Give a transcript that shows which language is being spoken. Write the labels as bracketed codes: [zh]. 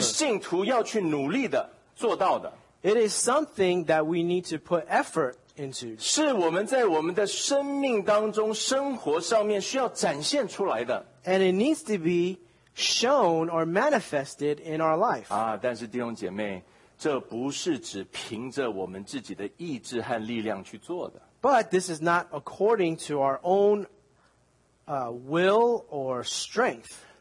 [zh] 是信徒要去努力的做到的。 [en] It is something that we need to put effort into. [zh] 是我们在我们的生命当中生活上面需要展现出来的。 [en] And it needs to be shown or manifested in our life. [zh] 啊，但是弟兄姐妹。 [en] But this is not according to our own will or strength.